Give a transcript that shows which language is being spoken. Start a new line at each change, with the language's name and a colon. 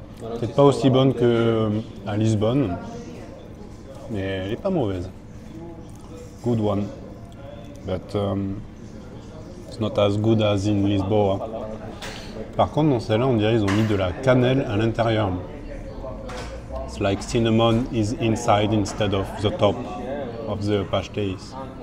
French: Peut-être pas aussi bonne que à Lisbonne, mais elle n'est pas mauvaise.
English: Good one. But it's not as good as in Lisboa.
French: Par contre, dans celle-là, on dirait qu'ils ont mis de la cannelle à l'intérieur.
English: It's like cinnamon is inside instead of the top of the pastéis.